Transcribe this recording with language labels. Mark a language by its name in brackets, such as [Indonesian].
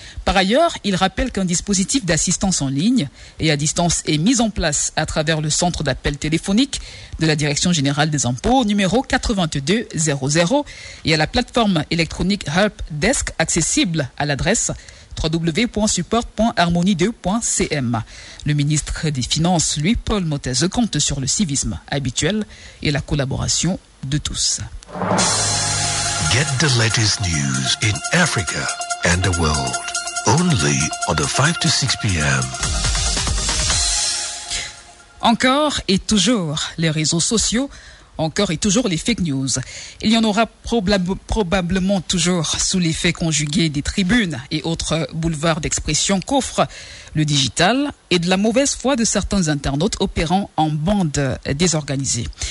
[French] Par ailleurs, il rappelle qu'un dispositif d'assistance en ligne et à distance est mis en place à travers le centre d'appel téléphonique de la Direction générale des impôts, numéro 8200, et à la plateforme électronique Help Desk, accessible à l'adresse www.support.harmonie2.cm. Le ministre des Finances, lui, Paul Mottez, compte sur le civisme habituel et la collaboration de tous. [English] Get the latest news in Africa and the world only on the 5 to 6 p.m. [French] Encore et toujours les réseaux sociaux, encore et toujours les fake news. Il y en aura probablement toujours sous l'effet conjugué des tribunes et autres boulevards d'expression qu'offrent le digital et de la mauvaise foi de certains internautes opérant en bande désorganisée.